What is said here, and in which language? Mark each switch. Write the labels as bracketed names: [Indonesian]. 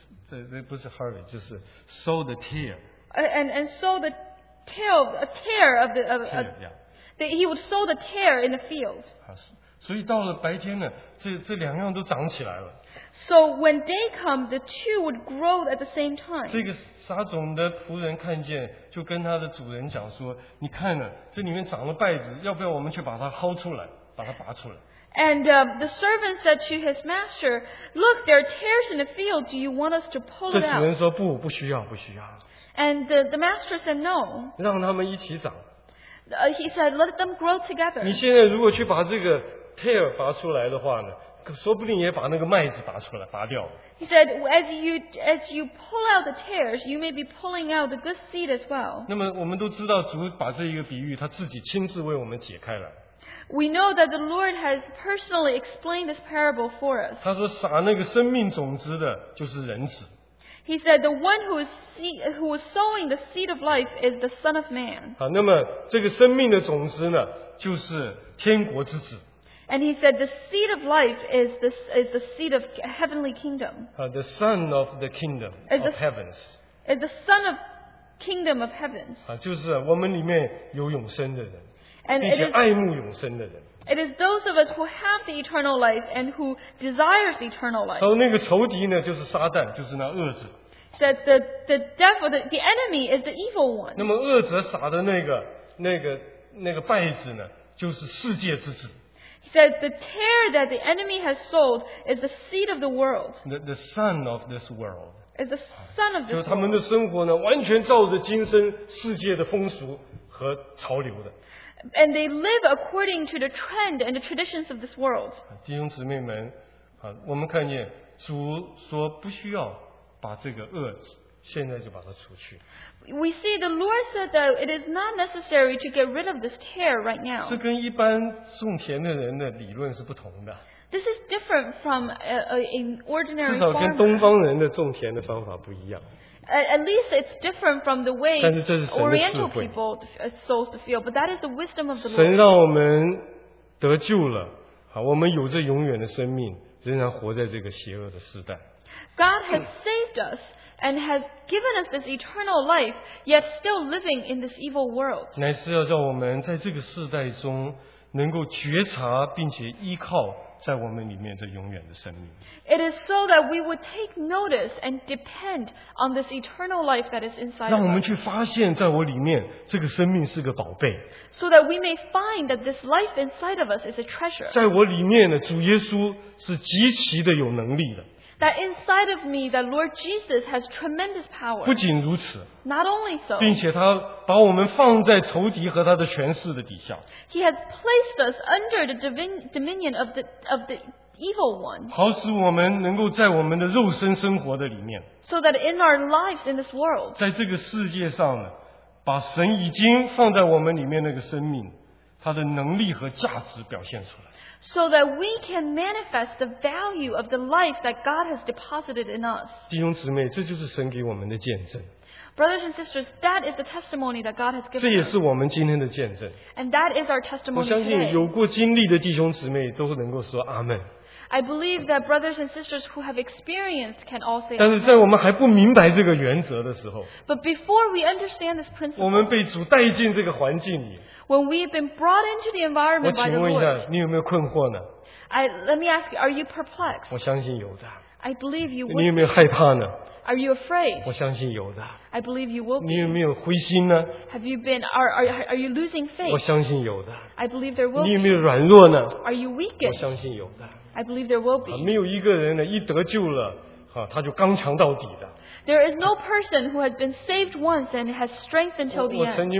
[Chinese] 这不是 [English] harvest， [Chinese] 就是 [English] sow the tear. And sow the tail a tear of the of that he would sow the tear in the fields. [Chinese] 所以到了白天呢，这两样都长起来了。 [English] So when day come, the two would grow at the same time. [Chinese] 这个撒种的仆人看见，就跟他的主人讲说：“你看呢，这里面长了败子，要不要我们去把它薅出来，把它拔出来？” [English] And the servant said to his master, "Look, there are tares in the field. Do you want us to pull it out?" [Chinese] 这主人说：“不，不需要，不需要。” [English] And the master said, "No." [Chinese] 让他们一起长。 [English] He said, "Let them grow together." [Chinese] 你现在如果去把这个 tare 拔出来的话呢？说不定也把那个麦子拔出来，拔掉了。 [English] He said, as you pull out the tares, you may be pulling out the good seed as well. [Chinese] 那么我们都知道，主把这一个比喻，他自己亲自为我们解开了。 [English] We know that the Lord has personally explained this parable for us. [Chinese] 他说，撒那个生命种子的，就是人子。 [English] He said, the one who is sowing the seed of life is the Son of Man. [Chinese] 好，那么这个生命的种子呢，就是天国之子。 [English] And he said, the seed of life is the seed of heavenly kingdom. The son of the kingdom of heavens. Is the son of kingdom of heavens. [Chinese] 就是我们里面有永生的人，并且爱慕永生的人。 [English] It is those of us who have the eternal life and who desires eternal life. [Chinese] 那个仇敌呢，就是撒旦，就是那恶者。 [English] That the devil, the enemy is the evil one. [Chinese] 那么恶者撒的那个败子呢，就是世界之子。 [English] He said, the tear that the enemy has sowed is the seed of the world. The son of this world. Is the son of this world. [Chinese] 就他们的生活呢，完全照着今生世界的风俗和潮流的。 [English] And they live according to the trend and the traditions of this world. [Chinese] 弟兄姊妹们，我们看见主说不需要把这个恶现在就把它除去。 [English] We see the Lord said that it is not necessary to get rid of this tear right now. [Chinese] 这跟一般种田的人的理论是不同的。 [English] This is different from an ordinary farmer. [Chinese] 至少跟东方人的种田的方法不一样。 [English] At least it's different from the way Oriental people sow the field, but that is the wisdom of the Lord. [Chinese] 神让我们得救了，我们有着永远的生命，仍然活在这个邪恶的时代。 [English] God has saved us. And has given us this eternal life, yet still living in this evil world. [Chinese] 乃是要叫我们在这个世代中能够觉察，并且依靠在我们里面这永远的生命。 [English] It is so that we would take notice and depend on this eternal life that is inside. [Chinese] 让我们去发现，在我里面这个生命是个宝贝。 [English] So that we may find that this life inside of us is a treasure. [Chinese] 在我里面呢，主耶稣是极其的有能力的。 [English] That inside of me, that Lord Jesus has tremendous power. [Chinese] 不仅如此 [English] ，Not only so， [Chinese] 并且他把我们放在仇敌和他的权势的底下。 [English] He has placed us under the dominion of the evil one. [Chinese] 好使我们能够在我们的肉身生活的里面, [English] so that in our lives in this world, [Chinese] 在这个世界上呢, 把神已经放在我们里面那个生命, 他的能力和价值表现出来, [English] so that we can manifest the value of the life that God has deposited in us. [Chinese] 弟兄姊妹, 这就是神给我们的见证。 [English] Brothers and sisters, that is the testimony that God has given us. [Chinese] 这也是我们今天的见证。 [English] And that is our testimony today. [Chinese] 我相信有过经历的弟兄姊妹都能够说阿们。 [English] I believe that brothers and sisters who have experienced can all say. [Chinese] 但是在我们还不明白这个原则的时候, [English] but before we understand this principle, [Chinese] 我们被主带进这个环境里, [English] when we have been brought into the environment [Chinese] 我请问一下, [English] by the Lord, [Chinese] 你有没有困惑呢? [English] Let me ask you, are you perplexed? [Chinese] 我相信有的。 [English] I believe you will. [Chinese] 你有没有害怕呢? [English] Are you afraid? [Chinese] 我相信有的。 [English] I believe you will be. [Chinese] 你有没有灰心呢? [English] Have you been? Are you losing faith? [Chinese] 我相信有的。 [English] I believe there will be. [Chinese] 你有没有软弱呢? [English] Are you weakened? [Chinese] 我相信有的。 [English] I believe there will be. [Chinese] 没有一个人呢一得救了，哈，他就刚强到底的。 [English] There is no person who has been saved once and has strength until the end.